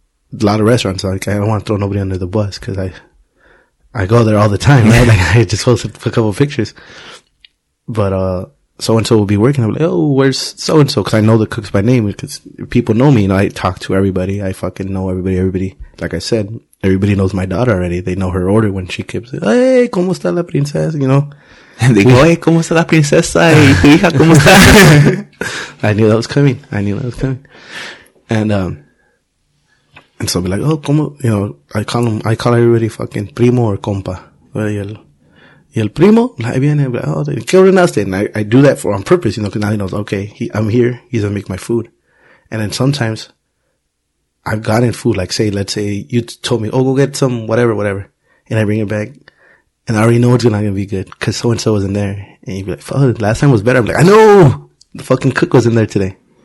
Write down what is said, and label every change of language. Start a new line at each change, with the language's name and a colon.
English: A lot of restaurants, like, I don't want to throw nobody under the bus because I go there all the time, right? Like, I just posted a couple of pictures. But, so-and-so will be working. I'm like, oh, where's so-and-so? Because I know the cooks by name because people know me. You know, I talk to everybody. I fucking know everybody. Everybody, like I said, everybody knows my daughter already. They know her order when she keeps it.
Spanish: Hey, ¿cómo está la princesa?
English: You know? And they go, hey,
Spanish: ¿cómo está la princesa? ¿Y tu hija, cómo está?
English: I knew that was coming. And, and so I'll be like, oh, como, you know, I call everybody fucking primo or compa.
Spanish: Y el primo, ahí viene, oh, ¿qué ordenaste?
English: And I do that on purpose, you know, cause now he knows, okay, I'm here, he's gonna make my food. And then sometimes I've gotten food, like say, let's say you told me, oh, go get some whatever, whatever. And I bring it back And I already know it's not going to be good because so-and-so wasn't there. And you'd be like, fuck, last time was better. I'm like, I know the fucking cook was in there today.